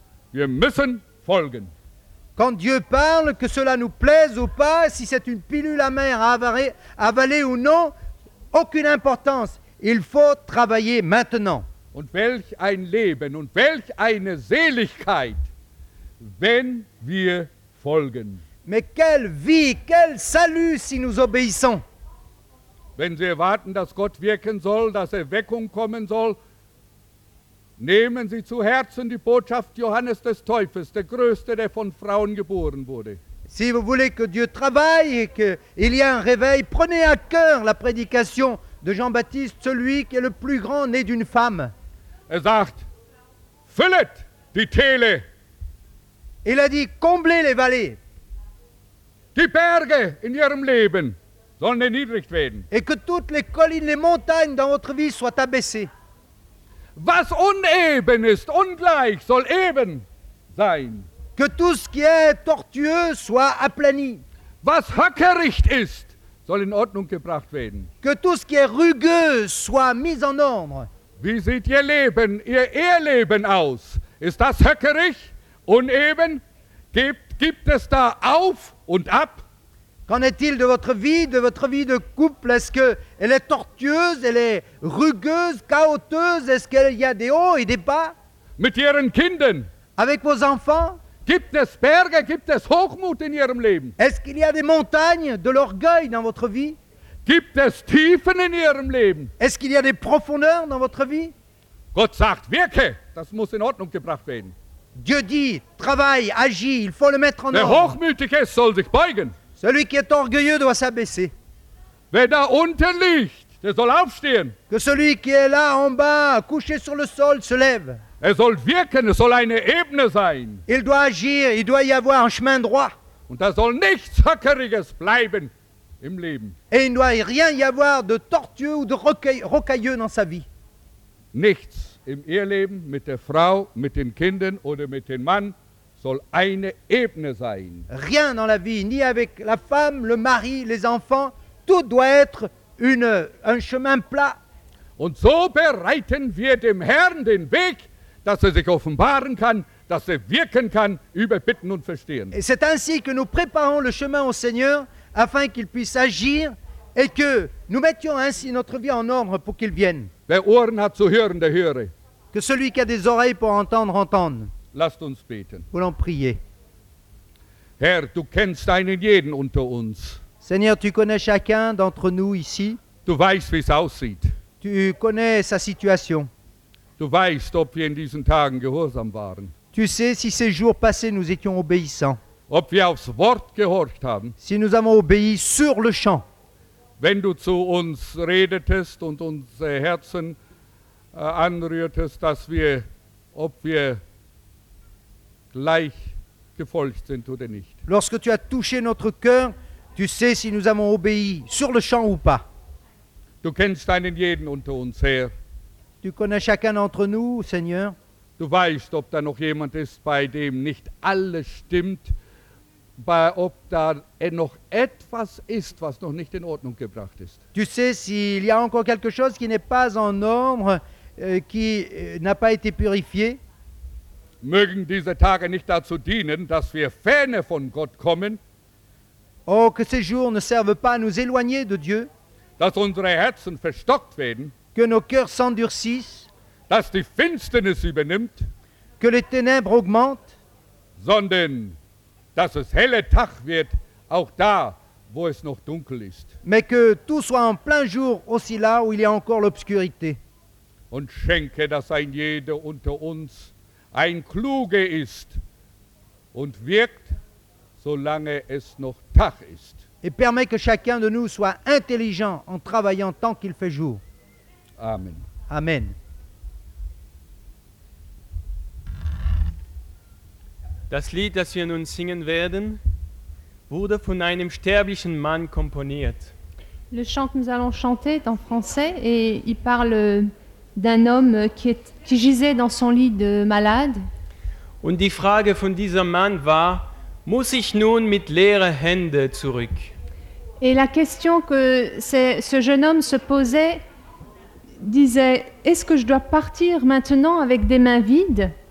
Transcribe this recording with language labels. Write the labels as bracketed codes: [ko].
[de] Wir müssen folgen. [fr] Quand Dieu parle, que cela nous plaise ou pas, si c'est une pilule amère à avaler ou non, aucune importance. Il faut travailler maintenant. [de] Und welch ein Leben und welch eine Seligkeit, wenn wir folgen. [fr] Mais quelle vie, quel salut si nous obéissons. [de] Wenn Sie erwarten, dass Gott wirken soll, dass Erweckung kommen soll, nehmen Sie zu Herzen die Botschaft Johannes des Täufers, der Größte, der von Frauen geboren wurde. [fr] Si vous voulez que Dieu travaille et qu'il y ait un réveil, prenez à cœur la prédication de Jean-Baptiste, celui qui est le plus grand né d'une femme. [de] Er sagt, füllet die Täler. [fr] Il a dit, comblez les vallées. [de] Die Berge in ihrem Leben sollen erniedrigt werden. [fr] Et que toutes les collines, les montagnes dans votre vie soient abaissées. [de] Was uneben ist, ungleich, soll eben sein. [fr] Que tout ce qui est tortueux soit aplani. [de] Was höckericht ist, soll in Ordnung gebracht werden. [fr] Que tout ce qui est rugueux soit mis en ordre. [de] Wie sieht Ihr Leben, Ihr Eheleben aus? Ist das höckerig, uneben? Gibt es da auf und ab? [fr] Qu'en est-il de votre vie de couple? Est-ce qu'elle est tortueuse, elle est rugueuse, chaotique? Est-ce qu'il y a des hauts et des bas? [de] Mit Ihren Kindern? [fr] Avec vos enfants? [de] Gibt es Berge, gibt es Hochmut in Ihrem Leben? [fr] Est-ce qu'il y a des montagnes, de l'orgueil dans votre vie? [de] Gibt es Tiefen in Ihrem Leben? [fr] Est-ce qu'il y a des profondeurs dans votre vie? [de] Gott sagt, wirke, das muss in Ordnung gebracht werden. [fr] Dieu dit, travaille, agis, il faut le mettre en ordre. [de] Der Hochmütige soll sich beugen. [fr] Celui qui est orgueilleux doit s'abaisser. [de] Wer da unten liegt, der soll aufstehen. [fr] Que celui qui est là en bas, couché sur le sol, se lève. [de] Er soll wirken, es soll eine Ebene sein. [fr] Il doit agir, il doit y avoir un chemin droit. [de] Und da soll nichts Höckeriges bleiben im Leben. [fr] Et il ne doit rien y avoir de tortueux ou de rocailleux dans sa vie. [de] Nichts im Eheleben mit der Frau, mit den Kindern oder mit dem Mann soll eine Ebene sein. [fr] Rien dans la vie, ni avec la femme, le mari, les enfants, tout doit être un chemin plat. [de] Und so bereiten wir dem Herrn den Weg, dass sich offenbaren kann, dass wirken kann über Bitten und Verstehen. [fr] Et c'est ainsi que nous préparons le chemin au Seigneur afin qu'il puisse agir et que nous mettions ainsi notre vie en ordre pour qu'il vienne. [de] Wer Ohren hat zu hören, der höre. [fr] Que celui qui a des oreilles pour entendre, entende. [de] Lasst uns beten. [fr] Voulons prier. [de] Herr, du kennst einen jeden unter uns. [fr] Seigneur, tu connais chacun d'entre nous ici. [de] Du weißt, wie es aussieht. [fr] Tu connais sa situation. [de] Du weißt, ob wir in diesen Tagen gehorsam waren. [fr] Tu sais si ces jours passés nous étions obéissants. [de] Ob wir aufs Wort gehorcht haben. [fr] Si nous avons obéi sur le champ. [de] Wenn du zu uns redetest und unsere Herzen anrührtest, dass wir, ob wir gleich gefolgt sind oder nicht. [fr] Lorsque tu as touché notre cœur, tu sais si nous avons obéi sur le champ ou pas. [de] Du kennst einen jeden unter uns, Herr. [fr] Tu connais chacun d'entre nous, Seigneur. [de] Du weißt, ob da noch jemand ist, bei dem nicht alles stimmt, ob da noch etwas ist, was noch nicht in Ordnung gebracht ist. [fr] Tu sais, s'il y a encore quelque chose qui n'est pas en ordre, qui n'a pas été purifié. [de] Mögen diese Tage nicht dazu dienen, dass wir ferne von Gott kommen. [fr] Oh, que ces jours ne servent pas à nous éloigner de Dieu. [de] Dass unsere Herzen verstockt werden. [fr] Que nos cœurs s'endurcissent. [de] Dass die Finsternis übernimmt. [fr] Que les ténèbres augmentent. [de] Sondern, dass es helle Tag wird, auch da, wo es noch dunkel ist. [fr] Mais que tout soit en plein jour aussi là où il y a encore l'obscurité. [de] Und schenke, dass ein jeder unter uns ein Kluge ist und wirkt, solange es noch Tag ist. [fr] Et permet que chacun de nous soit intelligent en travaillant tant qu'il fait jour. [de] Amen. [fr] Amen. [de] Das Lied, das wir nun singen werden, wurde von einem sterblichen Mann komponiert. [fr] Le chant que nous allons chanter est en français et il parle d'un homme qui gisait dans son lit de malade. [de] Und die Frage von diesem Mann war, muss ich nun mit leeren Händen zurück? [fr] Et la question que ce jeune homme se posait disait, est-ce que je dois partir maintenant avec des mains vides?